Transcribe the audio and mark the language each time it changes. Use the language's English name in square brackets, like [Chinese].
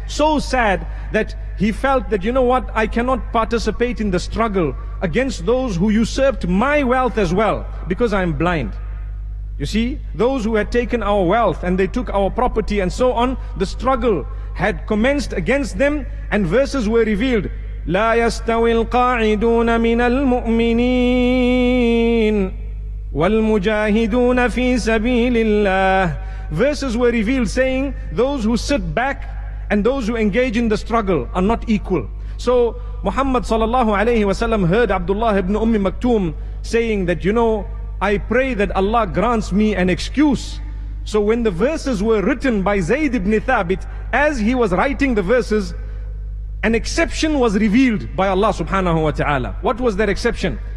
[English] So sad that he felt that, you know what, I cannot participate in the struggle against those who usurped my wealth as well, because I am blind. You see, those who had taken our wealth and they took our property and so on, the struggle had commenced against them, and verses were revealed. [Arabic] لا يستوي القاعدون من المؤمنين والمجاهدون في سبيل الله. [English] Verses were revealed saying, those who sit back and those who engage in the struggle are not equal. So Muhammad sallallahu alayhi wasallam heard Abdullah ibn Ummi Maktum saying that, you know, I pray that Allah grants me an excuse. So when the verses were written by Zayd ibn Thabit, as he was writing the verses, an exception was revealed by Allah subhanahu wa ta'ala. What was that exception?